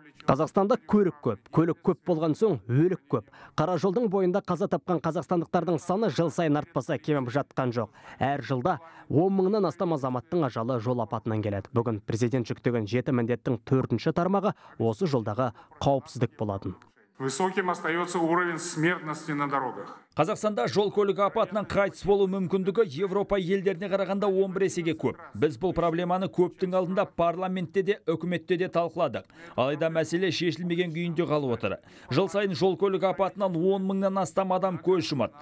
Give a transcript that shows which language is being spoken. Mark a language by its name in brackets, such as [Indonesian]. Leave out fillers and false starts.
[Kazakh] Қазақстанда көлік көп, көлік көп болған соң өлік көп. Қара жолдың бойында қаза тапқан қазақстандықтардың саны жыл сайын артпаса кеміп жатқан жоқ. Әр жылда 10 мыңнан астам азаматтың ажалы жол апатынан келеді. Бүгін президент жүктеген 7 міндеттің 4-ші тармағы осы жолдағы қауіпсіздік болатын. [Russian] Высоким остается уровень смертности на дорогах. [Kazakh] Қазақстанда жол көлік апатынан қайтыс болу мүмкіндігі Европа елдеріне қарағанда 11 есеге көп. Біз бұл проблеманы көптің алдында парламентте де, үкіметте де талқыладық. Алайда мәселе шешілмеген күйінде қалып отыр. Жыл сайын жол көлік апатынан 10 мыңнан астам адам көз жұмады.